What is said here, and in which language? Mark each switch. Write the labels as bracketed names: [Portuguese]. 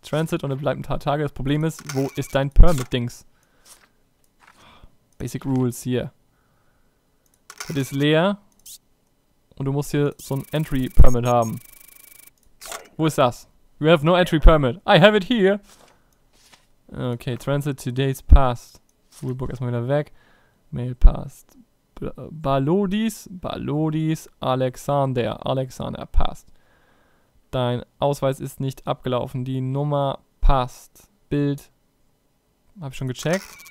[German] Transit und es bleibt ein paar Tage. Das Problem ist, wo ist dein Permit-Dings? Basic Rules hier. Das ist leer. Und du musst hier so ein Entry Permit haben. Wo ist das? [English] You have no Entry Permit. I have it here. Okay, Transit today's passed. [German] Rulebook erstmal wieder weg. [English] Mail passed. [German] Balodis, Alexander. Alexander passed. Dein Ausweis ist nicht abgelaufen. Die Nummer passt. Bild. Hab ich schon gecheckt.